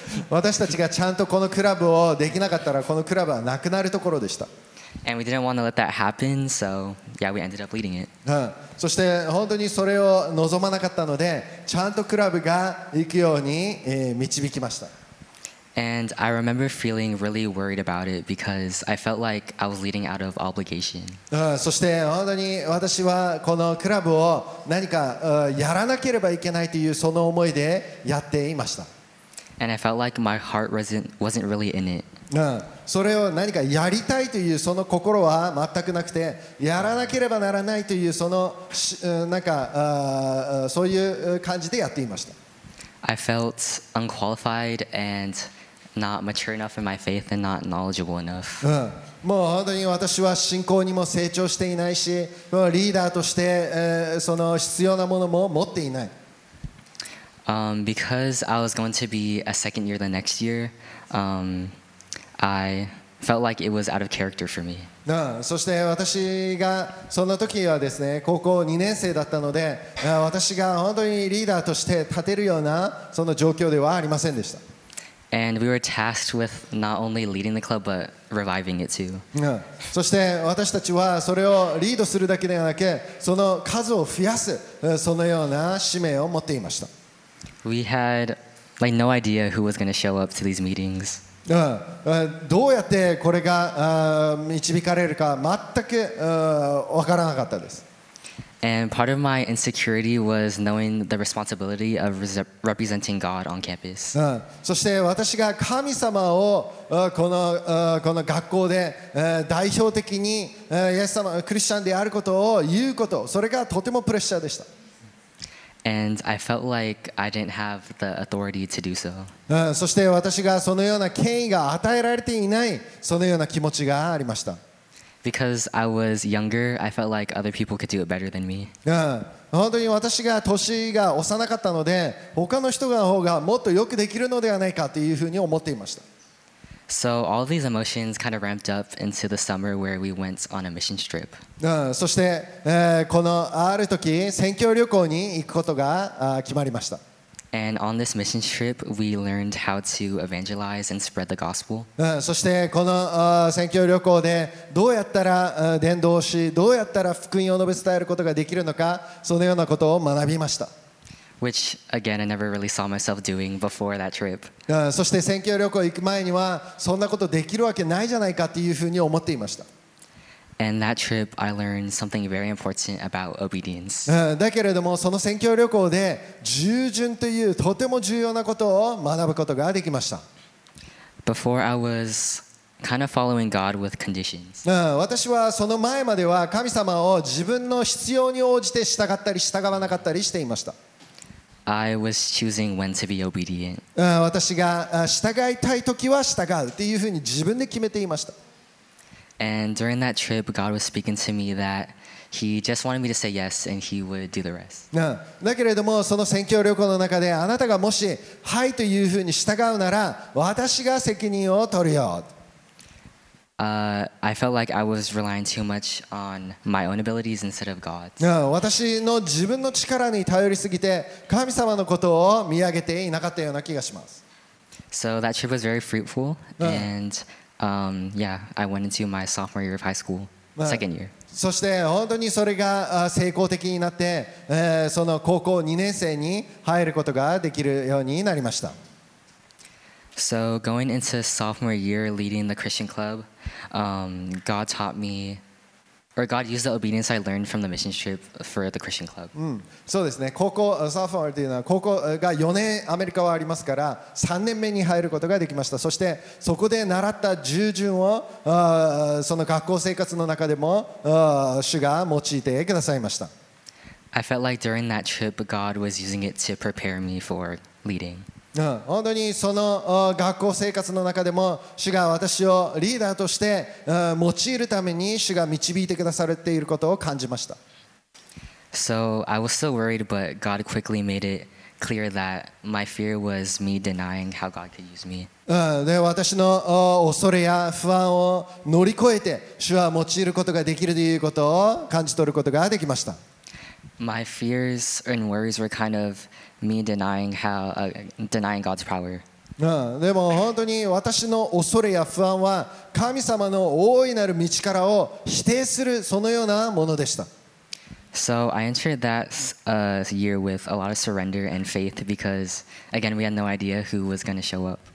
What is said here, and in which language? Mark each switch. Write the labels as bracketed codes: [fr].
[ja] 私たちがちゃんとこのクラブをできなかったら、このクラブはなくなるところでした。 [en] And we didn't want to let that happen, so yeah, we ended up leading it. [ja] そして本当にそれを望まなかったので、ちゃんとクラブが行くように導きました。 [en] And I remember feeling really worried about it because I felt like I was leading out of obligation. [ja] そして本当に私はこのクラブを何かやらなければいけないというその思いでやっていました。 [en] And I felt like my heart wasn't really in it. [ja] それを何かやりたいというその心は全くなくて、やらなければならないというそのなんかそういう感じでやっていました。 [en] I felt unqualified and not mature enough in my faith and not knowledgeable enough. [ja] もう本当に私は信仰にも成長していないし、リーダーとしてその必要なものも持っていない。 [en] Because I was going to be a second year the next year, I felt like it was out of character for me. [ja] そして私がそんな時はですね、高校2年生だったので、私が本当にリーダーとして立てるようなその状況ではありませんでした。 [en] And we were tasked with not only leading the club but reviving it too. [ja] そして私たちはそれをリードするだけではなく、その数を増やすそのような使命を持っていました。 [en] We had like no idea who was going to show up to these meetings. [ja] どうやってこれが導かれるか全く分からなかったです。 [en] And part of my insecurity was knowing the responsibility of representing God on campus. [ja] そして私が神様をこの学校で代表的にイエス様、クリスチャンであることを言うこと、それがとてもプレッシャーでした。 [en] And I felt like I didn't have the authority to do so. [ja] そして私がそのような権威が与えられていない、そのような気持ちがありました。 [en] Because I was younger, I felt like other people could do it better than me. [ja] 本当に私が年が幼かったので、他の人の方がもっとよくできるのではないかというふうに思っていました。 [en] So all these emotions kind of ramped up into the summer where we went on a mission trip. [ja] そして、このある時、宣教旅行に行くことが、決まりました。 [en] And on this mission trip, we learned how to evangelize and spread the gospel. [ja] そしてこの、宣教旅行でどうやったら、伝道し、どうやったら福音を述べ伝えることができるのか、そのようなことを学びました。 [en] Which again, I never really saw myself doing before that trip. [ja] そして宣教旅行行く前にはそんなことできるわけないじゃないかっていうふうに思っていました。 [en] And that trip, I learned something very important about obedience. [ja] だけれどもその宣教旅行で従順というとても重要なことを学ぶことができました。 [en] Before I was kind of following God with conditions. [ja] 私はその前までは神様を自分の必要に応じて従ったり従わなかったりしていました。 [en] I was choosing when to be obedient. [ja] 私が従いたいときは従うっていうふうに自分で決めていました。 [en] And during that trip, God was speaking to me that He just wanted me to say yes and He would do the rest. [ja] だけれどもその宣教旅行の中であなたがもしはいというふうに従うなら私が責任を取るよ。 [en] I felt like I was relying too much on my own abilities instead of God's. [ja] 私の自分の力に頼りすぎて神様のことを見上げていなかったような気がします。 [en] So that trip was very fruitful, and I went into my sophomore year of high school, second year. [ja] そして本当にそれが成功的になって、その高校2年生に入ることができるようになりました。 [en] So going into sophomore year leading the Christian club, God taught me, or God used the obedience I learned from the mission trip for the Christian club. [ja] そうですね。高校、sophomore というのは高校が4年アメリカはありますから、3年目に入ることができました。そしてそこで習った従順をその学校生活の中でも主が用いてくださいました。 [en] I felt like during that trip, God was using it to prepare me for leading. [ja] 本当にその学校生活の中でも主が私をリーダーとして用いるために主が導いてくださっていることを感じました。 [en] So I was still worried, but God quickly made it clear that my fear was me denying how God could use me. [ja] で、私の恐れや不安を乗り越えて主は用いることができるということを感じ取ることができました。 [en] My fears and worries were kind of me denying how, denying God's power. [ja] でも本当に私の恐れや不安は神様の大いなる道からを否定するそのようなものでした。 [en] So I entered that year with a lot of surrender and faith because, again, we had no idea who was going to show up.